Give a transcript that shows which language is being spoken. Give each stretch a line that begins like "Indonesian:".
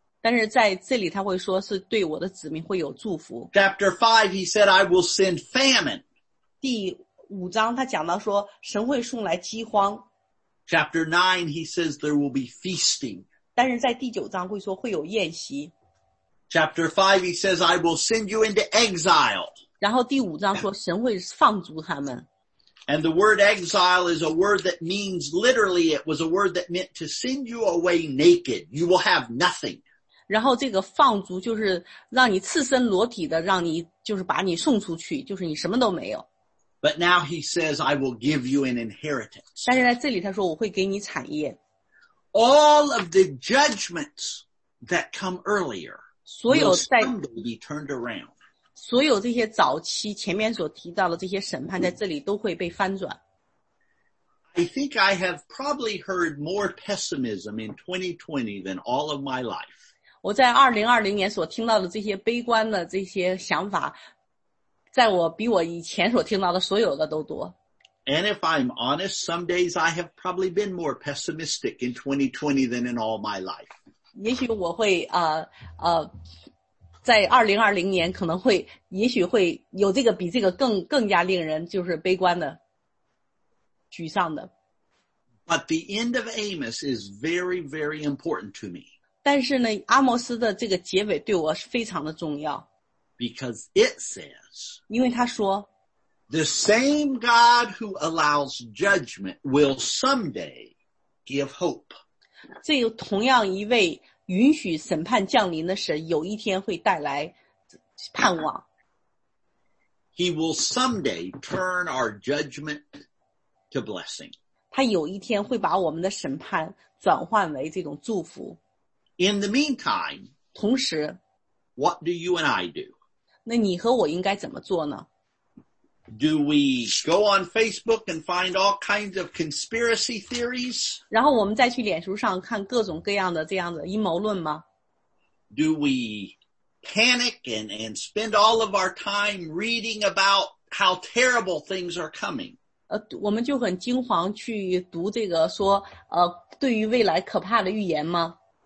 Chinese: 但是在这里他会说是对我的子民会有祝福。
English: Chapter 5, he said I will send famine.
Chinese: 第五章他讲到说神会送来饥荒。
English: Chapter 9, he says there will be feasting.
Chinese: 但是在第九章会说会有宴席。
English: Chapter 5, he says, I will send you into exile.
Chinese: 然后第五章说神会放逐他们。
English: And the word exile is a word that means, literally, it was a word that meant to send you away naked. You will have nothing.
Chinese: 然后这个放逐就是让你赤身裸体的，让你就是把你送出去，就是你什么都没有。
English: But now he says, I will give you an inheritance.
Chinese: 但是在这里他说我会给你产业。
English: All of the judgments that come earlier,
Chinese: 所有在
English: will someday be turned around.
Chinese: 所有这些早期前面所提到的这些审判在这里都会被翻转。
English: I think I have probably heard more pessimism in 2020 than all of my life.
Chinese: 我在2020年所听到的这些悲观的这些想法在我比我以前所听到的所有的都多。
English: And if I'm honest, some days I have probably been more pessimistic in 2020 than in all my life.
Chinese: 也许我会在2020年可能会也许会有这个比这个更加令人就是悲观的沮丧的。
English: But the end of Amos is very, very important to me.
Chinese: 但是呢阿摩斯的这个结尾对我是非常的重要。
English: Because it says,
Chinese: 因为他说
English: the same God who allows judgment will someday give hope.
Chinese: 这同样一位允许审判降临的神有一天会带来盼望。
English: He will someday turn our judgment to blessing.
Chinese: 他有一天会把我们的审判转换为这种祝福。
English: In the meantime,
Chinese: 同时
English: what do you and I do?
Chinese: 那你和我应该怎么做呢?
English: Do we go on Facebook and find all kinds of conspiracy theories?
Chinese: 然后我们再去脸书上看各种各样的这样的阴谋论吗?
English: Do we panic and spend all of our time reading about how terrible things are coming?
Chinese: 我们就很惊慌去读这个说对于未来可怕的预言吗?